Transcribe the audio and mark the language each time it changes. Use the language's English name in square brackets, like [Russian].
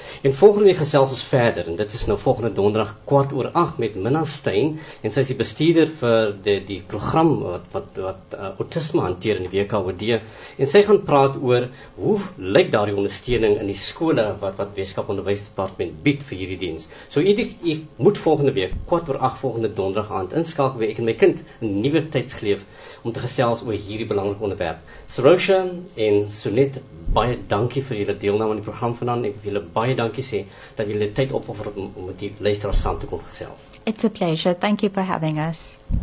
[Afrikaans] En volgende week gesels ons verder, en dit is nou volgende donderdag 7:45 met Minna Stein, en sy is die bestuurder vir die program wat autisme hanteer in die WKOD, en sy gaan praat oor hoe lyk daar die ondersteuning in die skole wat Weskaap Onderwysdepartement bied vir hierdie diens. So u moet volgende week, 7:45 volgende donderdag aand, inskakel ek en my kind een nuwe tydsgeleef om te gesels oor hierdie belangrike onderwerp. Sarosha en Sunet, baie dankie vir julle deelname aan die program vanaand. Ek wil julle baie dankie sê dat julle tyd opoffer om met die luisteraars saam te kom gesels. [English] It's a pleasure. Thank you for having us.